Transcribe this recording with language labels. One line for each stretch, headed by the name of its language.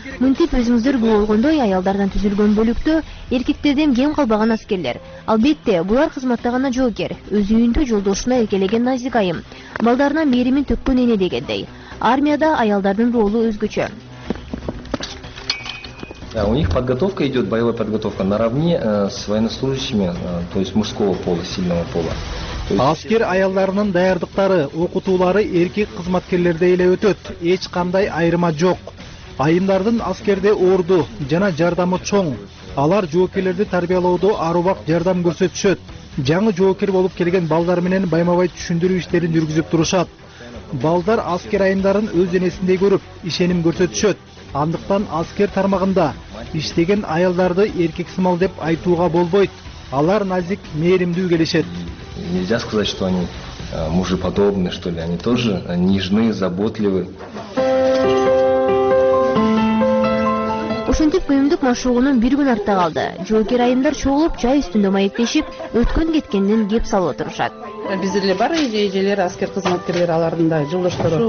Kyrgyz: Мынтип өзүңүздөр көрүлгөндөй аялдардан түзүлгөн бөлүктө эркектерден кем калбаган аскерлер. Албетте, булар кызматта гана жоокер, өз үйүндө жолдошуна эркелеген назик айым, балдарынан мээримин төккөн эне дегендей. Армияда аялдардын ролу өзгөчө.
Russian: Да, у них подготовка идет, боевая подготовка, наравне с военнослужащими, то есть мужского пола, сильного пола.
Kyrgyz: Аскер аялдарынын даярдыктары, окутуулары эркек кызматкерлердей эле өтөт. Эч кандай айырма жок. Айымдардын аскерде орду жана жардамы чоң. Алар жоокерлерди тарбиялоодо ар убакыт жардам көрсөтүшөт. Жаңы жоокер болуп келген балдар менен баймабай түшүндүрүү иштерин жүргүзүп турушат. Балдар аскер айымдарын өз энесиндей көрүп, ишеним көрсөтүшөт. Андыктан аскер тармагында иштеген аялдарды эркек сымал деп айтууга болбойт. Алар назик, мээримдүү келишет.
Russian: Нельзя сказать, что они мужеподобны, что ли. Они тоже нежны, заботливы.
Kyrgyz: Ошентип күйүмдүк машыгуунун бир күн артта калды. Жоокер айымдар чогулуп, чай үстүндө маектешип, өткөн кеткенден кеп салып отурушат. Бизде эле бар эжелер, аскер кызматкерлери, алардын да жолдоштору.